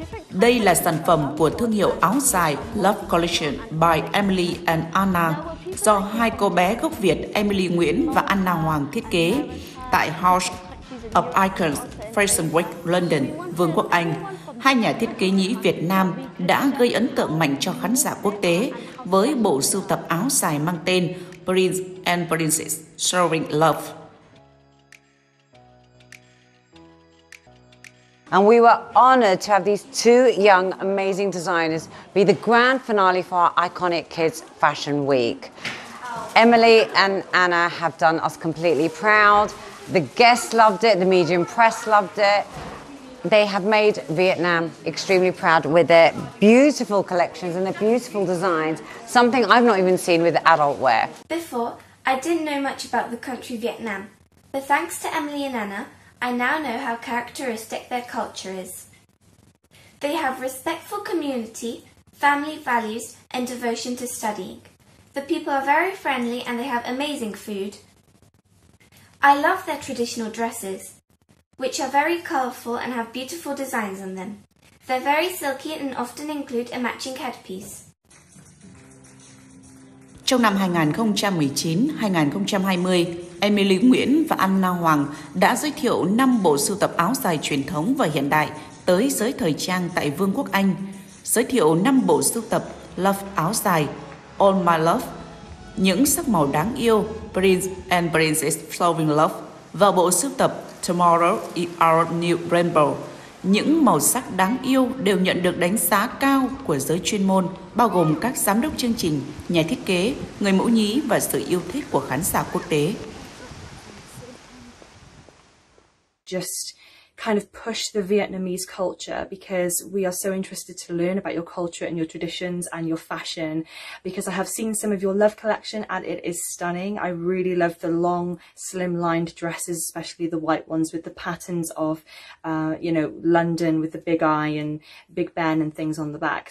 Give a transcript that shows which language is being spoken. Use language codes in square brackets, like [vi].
[vi] Đây là sản phẩm của thương hiệu áo dài Love Collection by Emily and Anna do hai cô bé gốc Việt Emily Nguyễn và Anna Hoàng thiết kế tại House of Icons Fashion Week London, Vương quốc Anh. Hai nhà thiết kế nhí Việt Nam đã gây ấn tượng mạnh cho khán giả quốc tế với bộ sưu tập áo dài mang tên Prince and Princess Sharing Love. [en] And we were honored to have these two young amazing designers be the grand finale for our iconic Kids Fashion Week. Emily and Anna have done us completely proud. The guests loved it, the media and press loved it. They have made Vietnam extremely proud with their beautiful collections and their beautiful designs, something I've not even seen with adult wear. Before, I didn't know much about the country Vietnam, but thanks to Emily and Anna, I now know how characteristic their culture is. They have respectful community, family values, and devotion to studying. The people are very friendly and they have amazing food. I love their traditional dresses, which are very colorful and have beautiful designs on them. They're very silky and often include a matching headpiece. [vi] Trong năm 2019-2020, Emily Nguyễn và Anna Hoàng đã giới thiệu 5 bộ sưu tập áo dài truyền thống và hiện đại tới giới thời trang tại Vương quốc Anh, giới thiệu 5 bộ sưu tập Love áo dài, All My Love, những sắc màu đáng yêu, Prince and Princess Flowing Love, và bộ sưu tập Tomorrow is Our New Rainbow, những màu sắc đáng yêu đều nhận được đánh giá cao của giới chuyên môn, bao gồm các giám đốc chương trình, nhà thiết kế, người mẫu nhí và sự yêu thích của khán giả quốc tế. [en] Just kind of push the Vietnamese culture because we are so interested to learn about your culture and your traditions and your fashion because I have seen some of your Love collection and it is stunning. I really love the long slim-lined dresses, especially the white ones with the patterns of, you know, London with the big eye and Big Ben and things on the back.